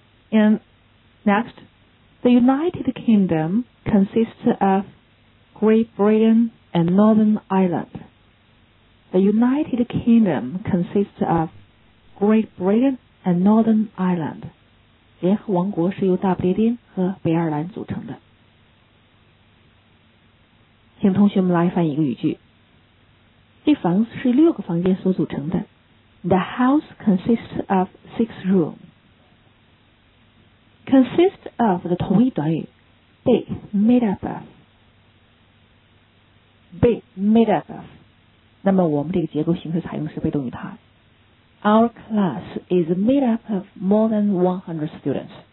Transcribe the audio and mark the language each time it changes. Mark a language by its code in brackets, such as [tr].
[en] And next, the United Kingdom consists of Great Britain and Northern Ireland. The United Kingdom consists of Great Britain and Northern Ireland. [zh] 联合王国是由大不列颠和北爱尔兰组成的。请同学们来翻译一个语句。这房子是六个房间所组成的。 [en] The house consists of six rooms. Consist of [zh] 的同义短语被 [en] made up of. Be made up of. [zh] 那么我们这个结构形式采用的是被动语态。 [en] Our class is made up of more than 100 students.